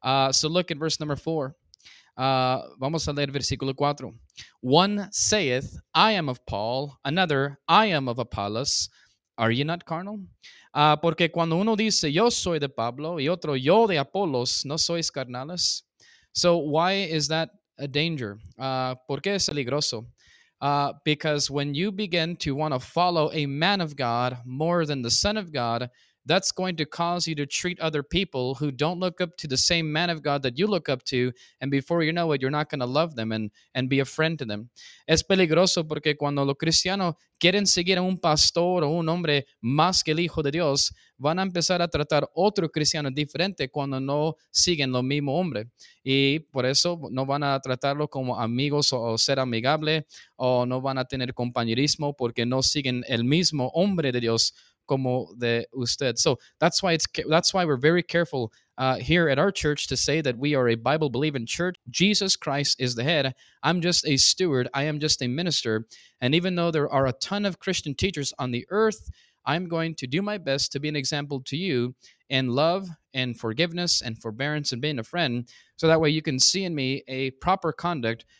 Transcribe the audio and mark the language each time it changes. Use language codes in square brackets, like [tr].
[en] So look at verse number 4. [es] Vamos a leer versículo 4. [en] One saith, I am of Paul, another, I am of Apollos. Are you not carnal? [es] Porque cuando uno dice, yo soy de Pablo, y otro, yo de Apolos, ¿no sois carnales? [en] So why is that a danger? [es] ¿Por qué es peligroso? [en] Because when you begin to want to follow a man of God more than the Son of God, that's going to cause you to treat other people who don't look up to the same man of God that you look up to, and before you know it, you're not going to love them and be a friend to them. [es] Es peligroso porque cuando los cristianos quieren seguir a un pastor o un hombre más que el Hijo de Dios, van a empezar a tratar otro cristiano diferente cuando no siguen lo mismo hombre. Y por eso no van a tratarlo como amigos o ser amigable, o no van a tener compañerismo porque no siguen el mismo hombre de Dios como de usted. [en] So that's why we're very careful here at our church to say that we are a Bible-believing church. Jesus Christ is the head. I'm just a steward. I am just a minister. And even though there are a ton of Christian teachers on the earth, I'm going to do my best to be an example to you in love and forgiveness and forbearance and being a friend, so that way you can see in me a proper conduct.